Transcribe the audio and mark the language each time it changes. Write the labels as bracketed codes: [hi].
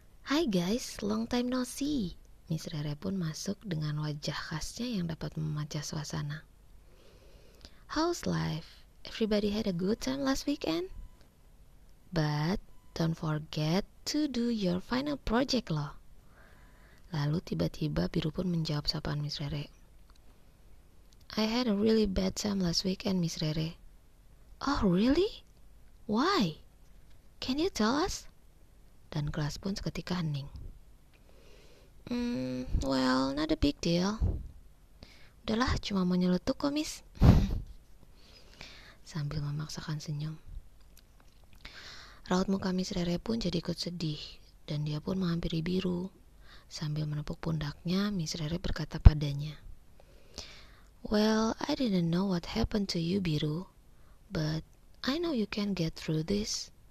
[en] Hai guys, long time no see. [id] Miss Rere pun masuk dengan wajah khasnya yang dapat memecah suasana. [en] How's life? Everybody had a good time last weekend? But don't forget to do your final project loh. [id] Lalu tiba-tiba Biru pun menjawab sapaan Miss Rere. [en] I had a really bad time last weekend, Miss Rere. Oh, really? Why? Can you tell us? [id] Dan kelas pun seketika hening. [en] Well, not a big deal. [id] Udahlah, cuma mau nyeletuk kok, Miss. Sambil memaksakan senyum. Raut muka Miss Rere pun jadi ikut sedih, dan dia pun menghampiri Biru. Sambil menepuk pundaknya, Miss Rere berkata padanya. [en] Well, I didn't know what happened to you, Biru. But I know you can get through this.